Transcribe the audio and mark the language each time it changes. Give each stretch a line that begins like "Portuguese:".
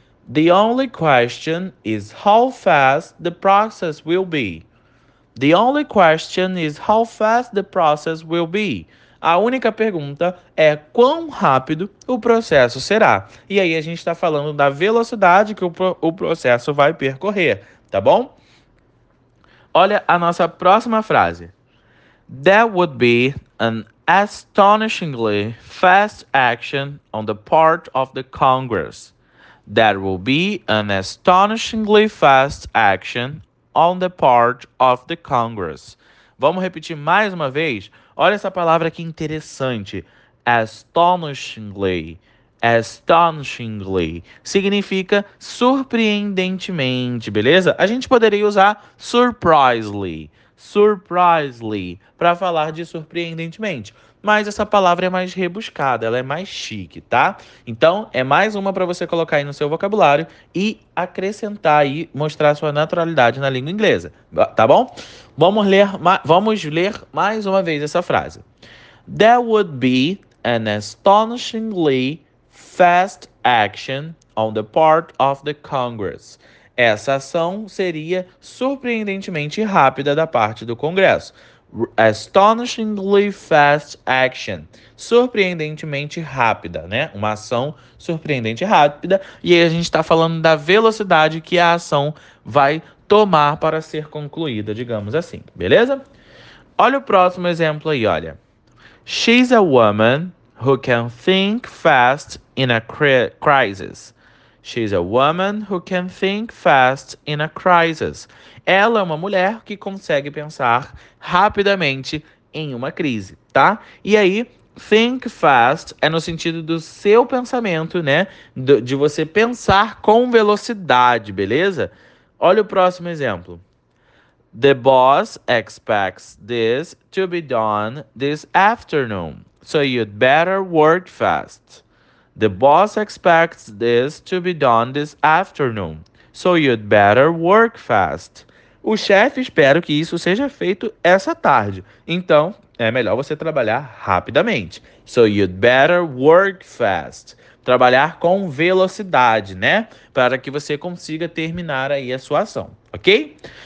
English: The only question is how fast the process will be. The only question is how fast the process will be.
Portuguese: A única pergunta é quão rápido o processo será. E aí a gente está falando da velocidade que o processo vai percorrer, tá bom? Olha a nossa próxima frase.
English: That would be an astonishingly fast action on the part of the Congress. That will be an astonishingly fast action on the part of the Congress.
Portuguese: Vamos repetir mais uma vez? Olha essa palavra que interessante. Astonishingly. Astonishingly. Significa surpreendentemente, beleza? A gente poderia usar surprisingly. Surprisingly. Para falar de surpreendentemente. Mas essa palavra é mais rebuscada, ela é mais chique, tá? Então, é mais uma para você colocar aí no seu vocabulário e acrescentar aí, mostrar a sua naturalidade na língua inglesa, tá bom? Vamos ler mais uma vez essa frase.
English: That would be an astonishingly fast action on the part of the Congress.
Portuguese: Essa ação seria surpreendentemente rápida da parte do Congresso.
English: Astonishingly fast action.
Portuguese: Surpreendentemente rápida, né? Uma ação surpreendente rápida. E aí a gente está falando da velocidade que a ação vai tomar para ser concluída, digamos assim, beleza? Olha o próximo exemplo aí, olha.
English: She's a woman who can think fast in a crisis. She's a woman who can think fast in a crisis.
Portuguese: Ela é uma mulher que consegue pensar rapidamente em uma crise, tá? E aí, think fast é no sentido do seu pensamento, né? De você pensar com velocidade, beleza? Olha o próximo exemplo.
English: The boss expects this to be done this afternoon, so you'd better work fast. The boss expects this to be done this afternoon, so you'd better work fast.
Portuguese: O chefe espera que isso seja feito essa tarde. Então, é melhor você trabalhar rapidamente.
English: So you'd better work fast.
Portuguese: Trabalhar com velocidade, né? Para que você consiga terminar aí a sua ação, ok?